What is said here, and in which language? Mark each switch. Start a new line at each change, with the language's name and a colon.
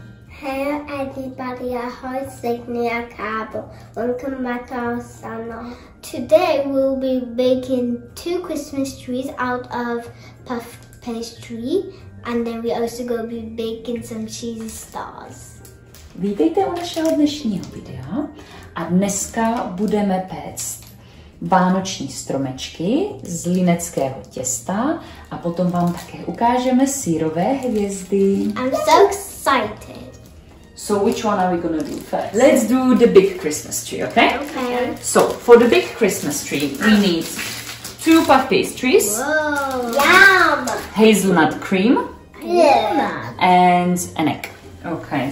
English: Hello everybody, ahoy, Sydney and Cabo. Welcome back to our channel. Today we'll be baking two Christmas trees out of puff pastry. And then we also going to be baking some cheesy stars.
Czech: Vítejte u našeho dnešního videa. A dneska budeme péct vánoční stromečky z lineckého těsta a potom vám také ukážeme sírové hvězdy.
English: I'm so excited. So which one are we gonna do first? Let's do the big Christmas tree, okay? Okay. So for the big Christmas tree, we need two puff pastries. Whoa. Yum. Hazelnut cream. Yeah. And an egg. Okay.